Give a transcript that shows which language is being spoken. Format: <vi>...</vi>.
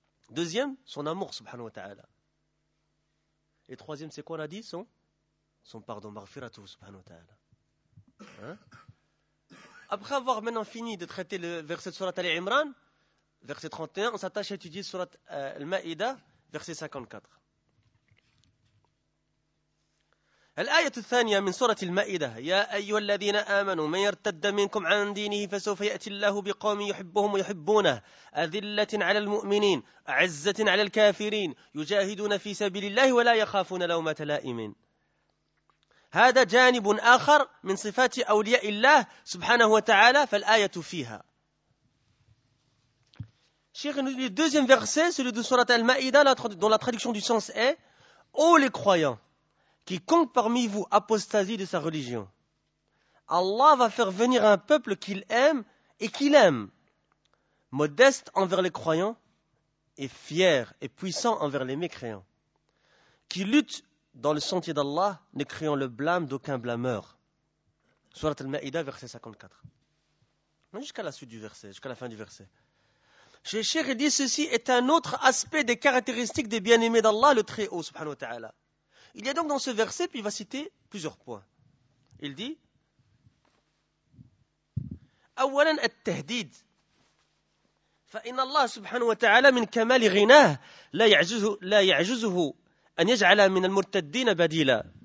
<fr>Deuxième, son amour,</fr> <ar>subhanahu wa ta'ala.</ar> <fr>Et troisième, c'est quoi on a dit? Son pardon, maghfiratuhu,</fr> <ar>subhanahu wa ta'ala.</ar> <fr>Hein? Après avoir maintenant fini de traiter le verset de surat Al-Imran, verset 31, on s'attache à étudier surat Al-Ma'ida, verset 54.</fr> <ar>الآية الثانية من سورة المائدة يا أيها الذين آمنوا من يرتد منكم عن دينه فسوف يأتي الله بقوم يحبهم ويحبونه أذلة على المؤمنين أعزة على الكافرين يجاهدون في سبيل الله ولا يخافون لومة لائم. هذا جانب آخر من صفات أولياء الله سبحانه وتعالى فالآية فيها. شيخ نقول</ar> <fr>le deuxième verset, celui de sourate المائدة, dont la traduction du sens est: ô les croyants, quiconque parmi vous apostasie de sa religion, Allah va faire venir un peuple qu'il aime et qu'il aime, modeste envers les croyants et fier et puissant envers les mécréants, qui lutte dans le sentier d'Allah, ne créant le blâme d'aucun blâmeur. Sourate Al-Ma'ida, verset 54. Jusqu'à la suite du verset, jusqu'à la fin du verset. Cheikh dit ceci est un autre aspect des caractéristiques des bien-aimés d'Allah, le Très-Haut,</fr> <ar>subhanahu wa ta'ala.</ar> <fr>Il y a donc dans ce verset, puis il va citer plusieurs points. Il dit</fr> <ar>أولاً التهديد فإن الله سبحانه وتعالى من كمال غناه لا يعجزه أن يجعل من المرتدين بديلا</ar>